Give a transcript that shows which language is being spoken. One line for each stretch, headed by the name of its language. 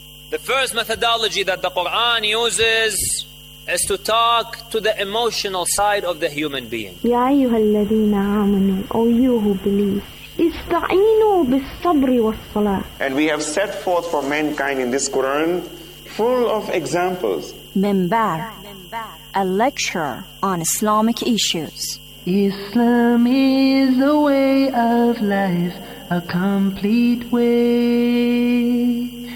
English: The first methodology that the Quran uses is to talk to the emotional side of the human being.
Arabic: يا أيها الذين آمنوا,
English: O you who believe,
Arabic: استعينوا بالصبر والصلاة.
English: And we have set forth for mankind in this Quran full of examples. Minbar, a lecture on Islamic issues. Islam is a way of life, a complete way.